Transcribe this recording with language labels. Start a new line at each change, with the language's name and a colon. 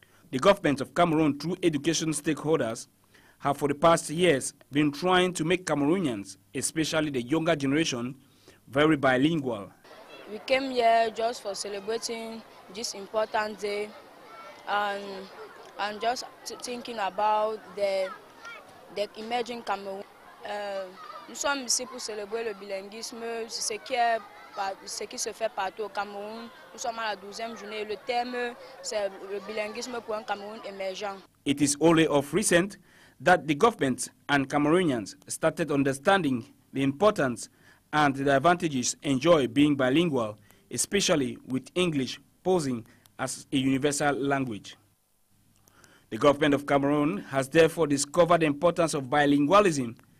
English: The government of Cameroon, through education stakeholders, have for the past years been trying to make Cameroonians, especially the younger generation, very bilingual. We came here just for celebrating this important day and just thinking about the emerging Cameroon.
French: Nous sommes ici pour célébrer le bilinguisme, ce qui se fait partout au Cameroun. Nous sommes à la 12e journée. Le thème, c'est le bilinguisme pour un Cameroun émergent.
English: It is only of recent that the government and Cameroonians started understanding the importance and the advantages enjoyed being bilingual, especially with English posing as a universal language. The government of Cameroon has therefore discovered the importance of bilingualism.